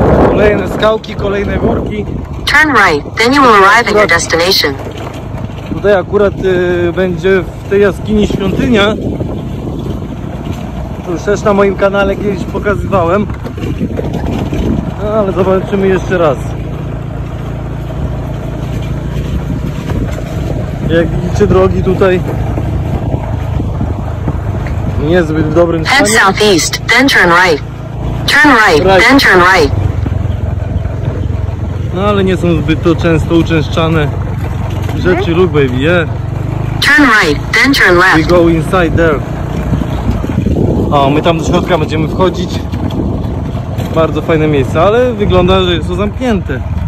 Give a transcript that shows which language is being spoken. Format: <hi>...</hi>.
<pl>Kolejne skałki, kolejne górki.</pl> <en>Turn right, then you will arrive at your destination.</en> <pl>Tutaj akurat będzie w tej jaskini świątynia. To już też na moim kanale kiedyś pokazywałem. No, ale zobaczymy jeszcze raz. Jak widzicie, drogi tutaj niezbyt w dobrym stanie.</pl> <en>Head southeast, then turn right. Turn right, then turn right.</en> <pl>No ale nie są zbyt to często uczęszczane rzeczy,</pl> <en>look baby, yeah. Turn right, then turn left. We go inside there.</en> <pl>O, my tam do środka będziemy wchodzić. Bardzo fajne miejsce, ale wygląda, że jest to zamknięte.</pl>